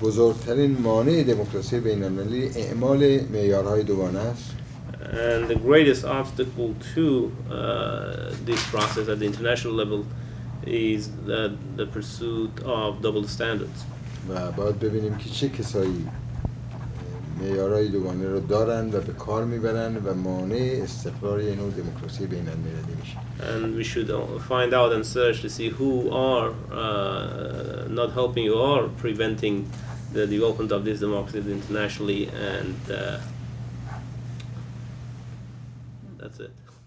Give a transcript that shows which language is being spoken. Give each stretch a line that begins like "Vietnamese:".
Persian: بزرگترین مانع دموکراسی بین‌المللی اعمال معیارهای دوگانه است.
English: And the greatest obstacle to this process at the international level is the pursuit of double standards.
Persian: و باید ببینیم که چه کسایی معیارهای دوگانه رو دارن و به کار میبرن و مانع استقرار یه نوع دموکراسی بین المللی میشه.
English: And we should find out and search to see who are not helping or preventing the development of this democracy internationally, and that's it.